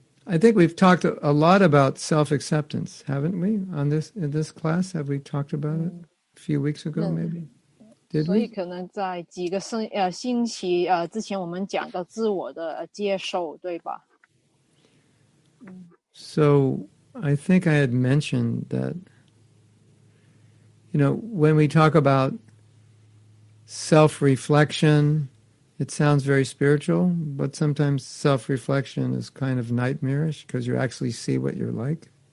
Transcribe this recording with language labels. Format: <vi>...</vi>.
<en>I think we've talked a lot about self-acceptance, haven't we? In this class, have we talked about it a few weeks ago, maybe? Did we?</en> <zh>所以可能在几个星期之前我们讲到自我的接受，对吧？</zh> <en>So I think I had mentioned that, you know, when we talk about self-reflection, it sounds very spiritual, but sometimes self-reflection is kind of nightmarish because you actually see what you're like.</en>